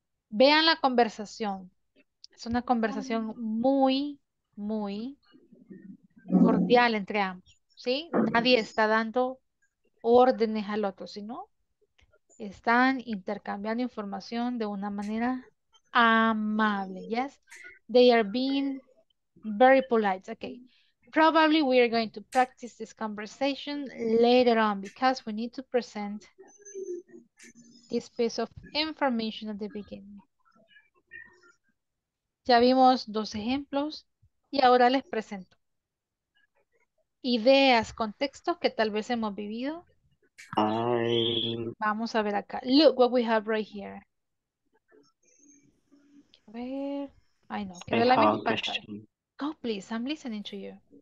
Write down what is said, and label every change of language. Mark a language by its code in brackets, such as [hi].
[es] Vean la conversación. Es una conversación muy, muy cordial entre ambos, ¿sí? Nadie está dando órdenes al otro, sino están intercambiando información de una manera amable, yes. [en] They are being very polite, okay. Probably we are going to practice this conversation later on because we need to present this piece of information at the beginning. [es] Ya vimos dos ejemplos y ahora les presento ideas, contextos que tal vez hemos vivido. Vamos a ver acá. [en] Look what we have right here. [es] A ver. Ay, no. Quiero la misma pantalla. [en] Go, please. I'm listening to you.